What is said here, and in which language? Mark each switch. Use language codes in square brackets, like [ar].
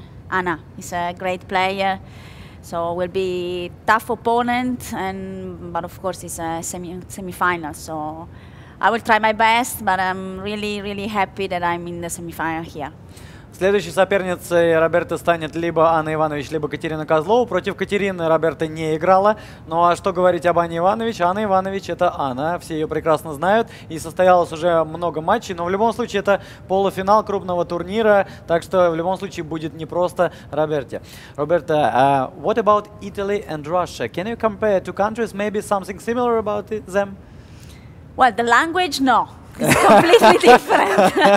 [en] Anna is a great player. So it will be tough opponent, and but of course it's a semi-final. So I will try my best, but I'm really, really happy that I'm in the semi-final here. [ru] Следующей соперницей Роберта станет либо Анна Иванович, либо Катерина Козлова. Против Катерины Роберта не играла. Ну а что говорить об Анне Иванович? Анна Иванович — это Анна. Все ее прекрасно знают. И состоялось уже много матчей. Но в любом случае это полуфинал крупного турнира. Так что в любом случае будет непросто Роберте. [en] Роберта, what about Italy and Russia? Can you compare two countries? Maybe something similar about them? Well, the language, no. It's completely different.